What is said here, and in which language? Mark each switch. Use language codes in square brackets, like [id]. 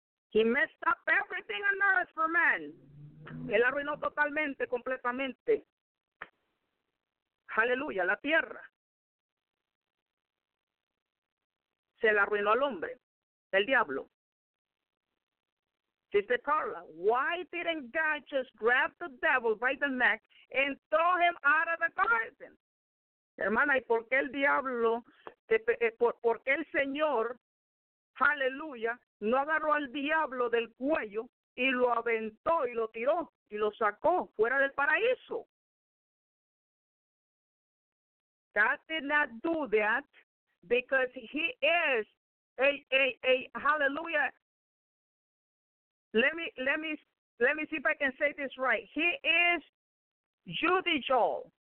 [en] He messed up everything on earth for men. [es] Él arruinó totalmente, completamente. Aleluya, la tierra. Se la arruinó al hombre, el diablo. [en] Sister Carla, why didn't God just grab the devil by the neck and throw him out of the garden? [es] Hermana, ¿y por qué el diablo, por qué el Señor, aleluya, no agarró al diablo del cuello y lo aventó y lo tiró y lo sacó fuera del paraíso? [en] God did not do that because he is a hallelujah. Let me see if I can say this right. He is judicial.